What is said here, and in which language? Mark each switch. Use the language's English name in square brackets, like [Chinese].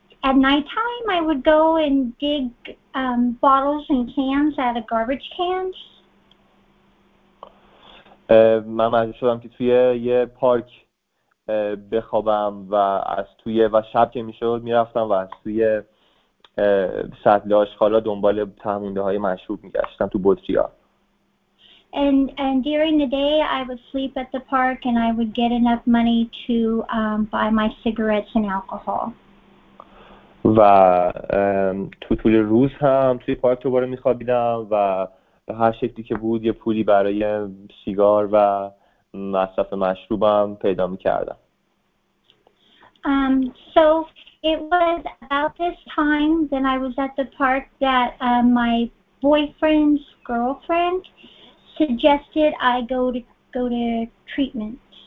[English] At night time I would go and dig bottles and cans out of garbage cans. [Persian] من مجبور شدم که توی یه پارک بخوابم و از توی و شب که میشد میرفتم و از توی سطل آشغالا دنبال تهمونده های مشروب میگشتم تو بطری ها. [English] And during the day, I would sleep at the park, and I would get enough money to buy my cigarettes and alcohol. [Persian] و تو طول روز هم توی پارک دوباره می‌خوابیدم و به هر شکلی که بود یه پولی برای سیگار و مصرف مشروبم پیدا می‌کردم. [English] So it was about this time that I was at the park that my boyfriend's girlfriend suggested I go to treatment.